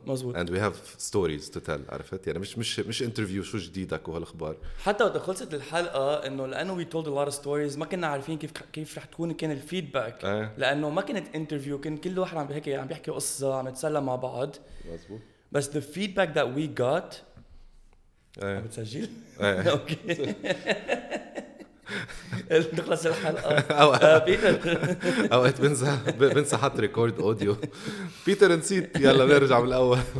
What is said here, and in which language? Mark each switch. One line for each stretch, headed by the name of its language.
Arabic: مزبوط
English: and we have stories to tell
Arabic: عرفت يعني مش مش مش interview شو جديدك وهالأخبار حتى وقت خلصت الحلقة إنه لأنه
English: we told a lot of stories
Arabic: ما كنا عارفين كيف رح تكون كان الفيدباك لأنه ما كانت interview كان كل واحد عم بيحكي عم بيحكي قصة عم يتسلم مع بعض مزبوط بس
English: the feedback that we got
Arabic: عم بتسجل أوكي نخلص الحلقة بيتر أوقات بنسى حط ريكورد أوديو بيتر نسيت يلا نرجع من الأول